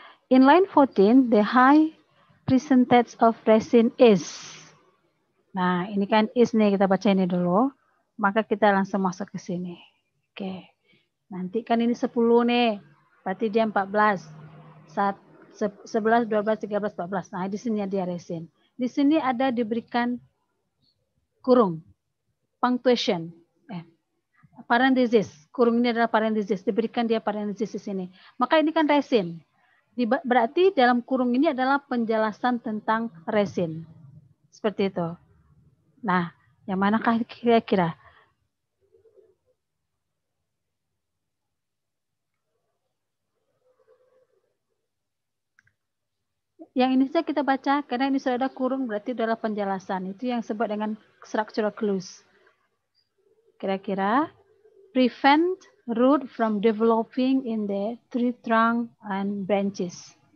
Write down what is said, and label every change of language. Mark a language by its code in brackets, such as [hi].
[en] In line 14, the high percentage of resin is [id] Nah, ini kan is nih, kita baca ini dulu. Maka kita langsung masuk ke sini. Oke. Nanti kan ini 10 nih. Berarti dia 14. 11, 12, 13, 14. Nah, di sini dia resin. Di sini ada diberikan kurung. Punctuation. Parenthesis. Kurung ini adalah parenthesis. Diberikan dia parenthesis di sini. Maka ini kan resin. Berarti dalam kurung ini adalah penjelasan tentang resin. Seperti itu. Nah, yang manakah kira-kira? Yang ini saja kita baca, karena ini sudah ada kurung, berarti adalah penjelasan. Itu yang disebut dengan structural clues. [en] Kira-kira, prevent root from developing in the tree trunk and branches.